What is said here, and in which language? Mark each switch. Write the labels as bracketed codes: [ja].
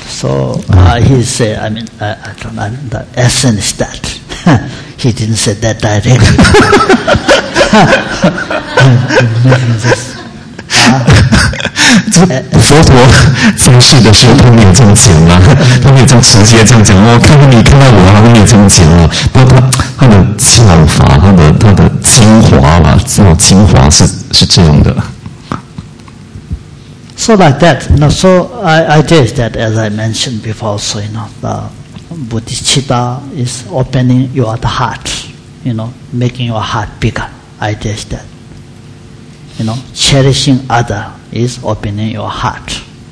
[en] So he said, I mean, the essence is that he didn't say that directly. [zh] 佛陀在世的时候，他没有这么讲啊，他没有这么直接这样讲。我看到你看到我，他没有这么讲啊。但他的教法，他的精华吧，精华是这样的。 [en] So like that, you know, so idea is that, as I mentioned before, so you know, the Buddhist citta is opening your heart, you know, making your heart bigger. Idea is that, you know, cherishing other is opening your heart.